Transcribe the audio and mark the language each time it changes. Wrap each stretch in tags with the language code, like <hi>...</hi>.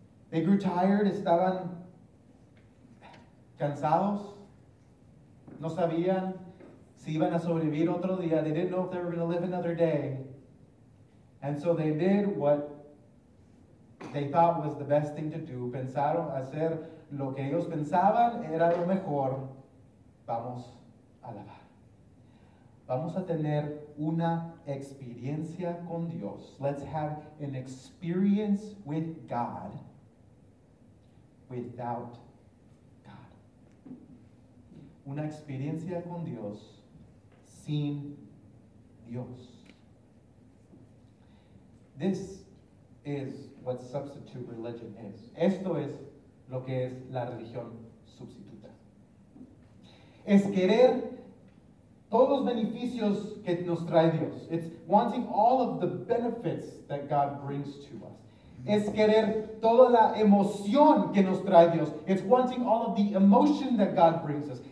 <en>They grew tired,</en> <es>estaban cansados, no sabían si iban a sobrevivir otro día.</es> <en>They didn't know if they were going to live another day. And so they did what they thought was the best thing to do.</en> <es>Pensaron hacer lo que ellos pensaban era lo mejor. Vamos a alabar. Vamos a tener una experiencia con Dios.</es> <en>Let's have an experience with God without God.</en> <es>Una experiencia con Dios sin Dios.</es> <en>This is what substitute religion is.</en> <es>Esto es lo que es la religión sustituta. Es querer todos los beneficios que nos trae Dios.</es> <en>It's wanting all of the benefits that God brings to us.</en> <es>Es querer toda la emoción que nos trae Dios.</es> <en>It's wanting all of the emotion that God brings us.</en>